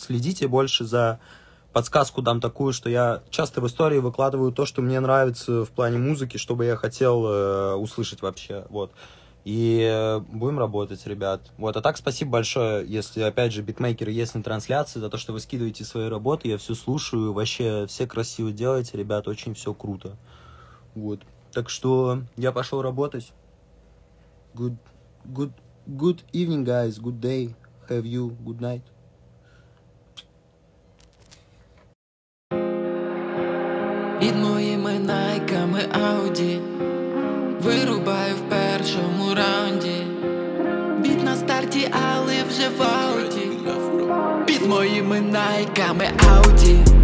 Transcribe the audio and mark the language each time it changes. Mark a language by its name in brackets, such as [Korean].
[Russian] Следите больше за... Подсказку дам такую, что я часто в истории выкладываю то, что мне нравится в плане музыки, чтобы я хотел услышать вообще, вот. И будем работать, ребят. Вот, а так спасибо большое, если, опять же, битмейкеры есть на трансляции, за то, что вы скидываете свои работы, я все слушаю, вообще все красиво делаете, ребят, очень все круто. Вот, так что я пошел работать. [English] Good evening, guys, good day, have you, good night. [Ukrainian] Відмоїми найками Ауді, вирубаю в першому раунді. Біт на старті, але вже в ауті. Під моїми найками Ауді.